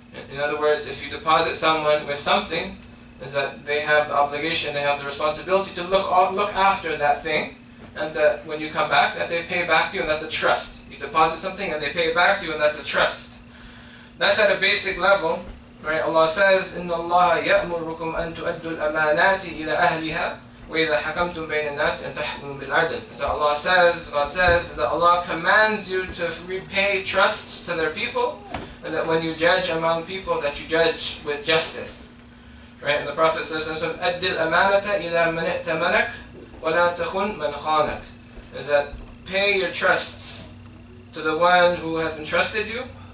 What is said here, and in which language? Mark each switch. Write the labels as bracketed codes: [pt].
[en] In other words, if you deposit someone with something, is that they have the obligation, they have the responsibility to look after that thing, and that when you come back, that they pay back to you, and that's a trust. You deposit something and they pay it back to you, and that's a trust. That's at a basic level, right? Allah says, [ar] إِنَّ اللَّهَ يَأْمُرُكُمْ أَن تُؤَدُّوا الْأَمَانَاتِ إِلَىٰ أَهْلِهَا وَإِذَا حَكَمْتُمْ بَيْنَ النَّاسِ أَن تَحْكُمُوا بِالْعَدْلِ. [en] So Allah says, God says, is that Allah commands you to repay trust to their people, and that when you judge among people, that you judge with justice. Right? And the Prophet says, [ar] أَدِّ الْأَمَانَةَ إِلَىٰ مَنِ اِتَمَنَكَ وَلَا تَخُنْ مَنْ خَانَكَ. [en] Is that pay your trusts to the one who has entrusted you,